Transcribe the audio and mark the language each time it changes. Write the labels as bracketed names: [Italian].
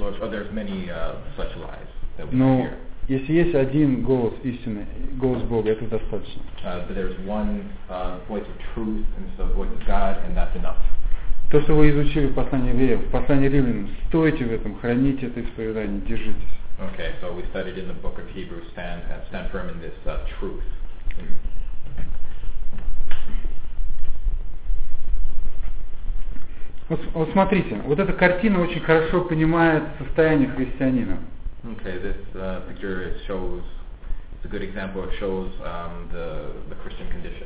[English] There's many such lies that we hear. [Russian] Но если есть один голос истины, голос Бога, это достаточно. [English] But there's one voice of truth and so voice of God, and that's enough. [Russian] То, что вы изучили в послании Евреям, в послании Римлянам, стойте в этом, храните это исповедание, держитесь. [English] Okay, so we studied in the book of Hebrews, stand firm in this truth. [Russian] Вот смотрите, вот эта картина очень хорошо понимает состояние христианина. [English] Okay, this picture shows, it's a good example, it shows the Christian condition.